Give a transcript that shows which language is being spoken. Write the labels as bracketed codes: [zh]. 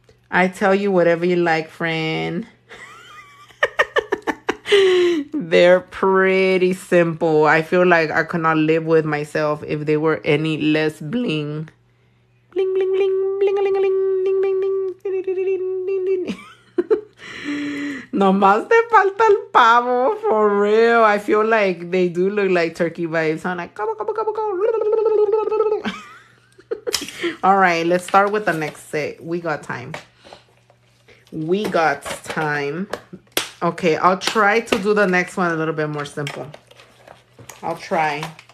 [en] I tell you whatever you like, friend. They're pretty simple. I feel like I could not live with myself if they were any less bling. Bling, bling, bling, bling-a-ling-a-ling, ding-ding-ding, ding-ding-ding-ding-ding. [es] Nomás te falta el pavo, [en] for real. I feel like they do look like turkey vibes. I'm like, come on, come on, come on, come on. All right, let's start with the next set. We got time. We got time. Okay, I'll try to do the next one a little bit more simple. I'll try.